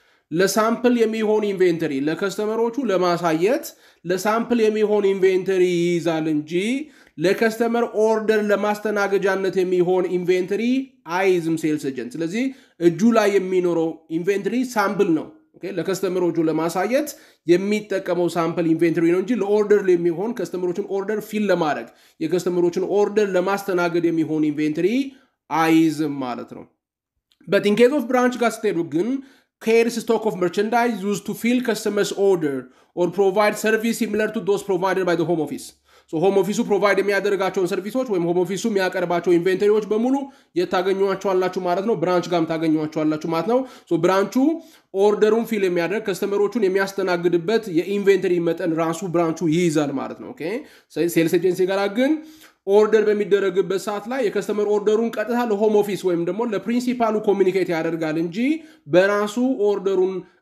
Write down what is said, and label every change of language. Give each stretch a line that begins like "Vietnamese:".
Amharic: ለሳምፕል የሚሆን ኢንቨንተሪ ለከስተመሮቹ ለማሳየት ለሳምፕል የሚሆን ኢንቨንተሪ ይይዛል እንጂ ለከስተመር ኦርደር ለማስተናገጃነት የሚሆን ኢንቨንተሪ አይይዝም ሴልስ ኤጀንት። ስለዚህ እጁ ላይ የሚኖረው ኢንቨንተሪ ሳምፕል ነው። ኦኬ ለከስተመሮቹ ለማሳየት የሚጠቀመው ሳምፕል ኢንቨንተሪ ነው እንጂ ለኦርደር የሚሆን ከስተመሮቹን ኦርደር ፊል ለማድረግ የከስተመሮቹን ኦርደር ለማስተናገድ የሚሆን ኢንቨንተሪ አይይዝም ማለት ነው።
English: But in case of branch gasterugun, carries stock of merchandise used to fill customers' order or provide service similar to those provided by the home office. So home office provide
Amharic: የሚያደርጋቸውን ሰርቪሶች ወይም home office የሚያቀርባቸው ኢንቨንተሪዎች በሙሉ የታገኙዋቸዋላችሁ ማለት ነው branch ጋም ታገኙዋቸዋላችሁ ማለት ነው so branchው orderውን fill የሚያደርግ customersዎቹን የሚያስተናግድበት የኢንቨንተሪ መጠን ራሱ branchው ይይዛል ማለት ነው okay sales agency ጋር ግን order በሚደረግበት ሰዓት ላይ የcustomer orderውን ቀጥታ ለhome office ወይም ደግሞ ለprincipalው communicate ያደርጋል እንጂ በራሱ orderውን